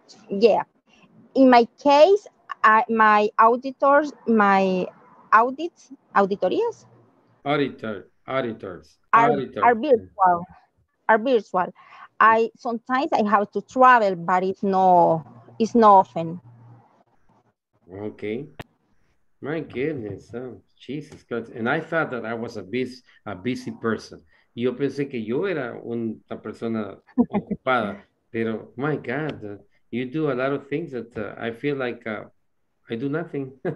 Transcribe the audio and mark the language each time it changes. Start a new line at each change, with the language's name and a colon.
English: Yeah, in my case, my auditors are virtual. Sometimes I have to travel, but it's not often. Okay, my goodness, oh, Jesus Christ! And I thought that I was a busy person.
Spanish: Yo pensé que yo era una persona ocupada, pero
English: my God. You do a lot of things that I feel like I do nothing.